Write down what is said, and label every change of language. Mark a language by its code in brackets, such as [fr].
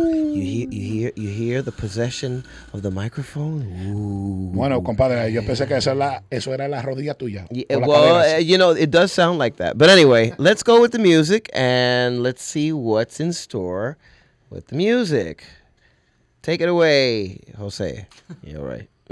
[en] ooh, you hear the possession of the microphone? Ooh. [es] Bueno, compadre, yo pensé que eso era la rodilla tuya. [en] Yeah, well, you know, it does sound like that. But anyway, let's go with the music and let's see what's in store with the music. Take it away, Jose. You're right.